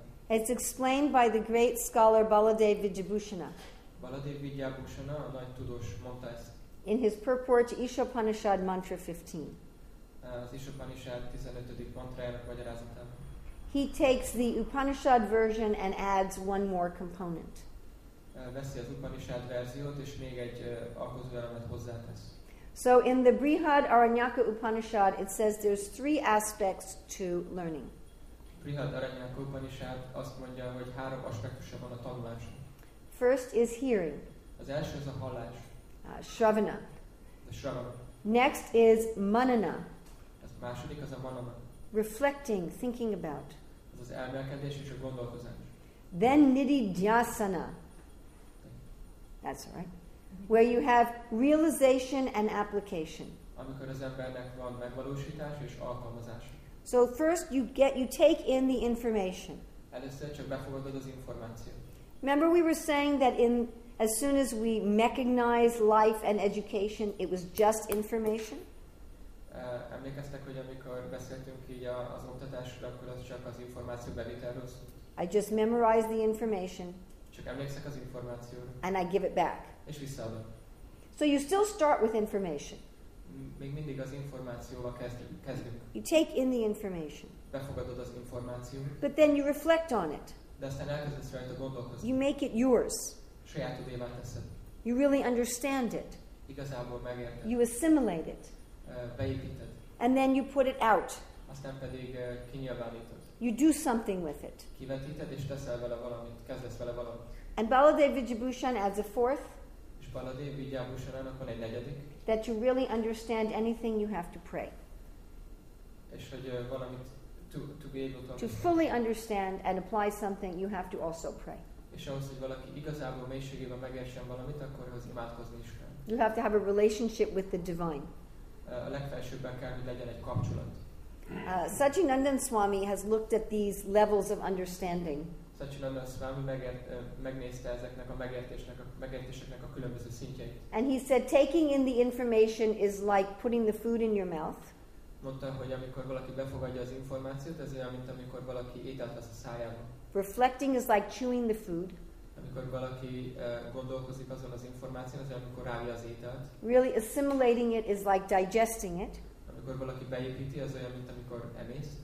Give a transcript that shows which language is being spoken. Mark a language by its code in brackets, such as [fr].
[en] It's explained by the great scholar Baladev Vidyabhushana. [hu] Baladev Vidyabhushana, a nagy tudós, mondta ezt. [en] In his purport to Ishopanishad Mantra 15. [hu] Az Ishopanishad 15. mantrájának magyarázatában. [en] He takes the Upanishad version and adds one more component. [hu] Veszi az Upanishad verziót, és még egy alkotóelemet hozzátesz. [en] So in the Brihad Aranyaka Upanishad, it says there's three aspects to learning. [hu] Brihad Aranyaka Upanishad azt mondja, hogy három aspektusa van a tanulásnak. [en] First is hearing. [hu] Az első az a hallás. [en] Shravana. The shravana. Next is manana. [hu] Az második az a manana. [en] Reflecting, thinking about. [hu] Az az elmélkedés és a gondolkozás. [en] Then nididhyasana. That's right. Where you have realization and application. [hu] Amikor az embernek van megvalósítás és alkalmazás. [en] So first you take in the information. [hu] Először csak befogadod az információt. [en] Remember we were saying that as soon as we mechanize life and education, it was just information? [hu] Emlékeztek, hogy amikor beszéltünk így az oktatásról, akkor az csak az információ bevételről szólt. [en] I just memorize the information. [hu] Csak emlékszek az információra. [en] And I give it back. [hu] És visszaadom. [en] So you still start with information. [hu] Még mindig az információval kezdünk. [en] You take in the information. [hu] Befogadod az információt. [en] But then you reflect on it. [hu] De aztán elkezdesz rajta gondolkozni. [en] You make it yours. [hu] Saját tudévá teszed. [en] You really understand it. [hu] Igazából megérted. [en] You assimilate it. [hu] Beépíted. [en] And then you put it out. [hu] Aztán pedig kinyilvánítod. [en] You do something with it. [hu] Kivetíted és teszel vele valamit, kezdesz vele valamit. [en] And Baladev Vidyabhushan adds a fourth. [hu] És Baladev Vidyabhushanának van egy negyedik. [en] That you really understand anything you have to pray. [hu] És hogy valamit [en] to be able to. To fully understand and apply something, you have to also pray. [hu] És ahhoz, hogy valaki igazából mélységében megértsen valamit, akkor az imádkozni is kell. [en] You have to have a relationship with the divine. [hu] A legfelsőbben kell, hogy legyen egy kapcsolat. [en] Satchinandan Swami has looked at these levels of understanding. [hu] Satchinandan Swami megnézte ezeknek a megértéseknek a különböző szintjeit. [en] And he said, taking in the information is like putting the food in your mouth. [hu] Mondta, hogy amikor valaki befogadja az információt, ez olyan, mint amikor valaki ételt vesz a szájába. [en] Reflecting is like chewing the food. [hu] Amikor valaki gondolkozik azon az információ, az amikor rágja az ételt. [en] Really assimilating it is like digesting it. [hu] Amikor valaki beépíti, az olyan, mint amikor emész.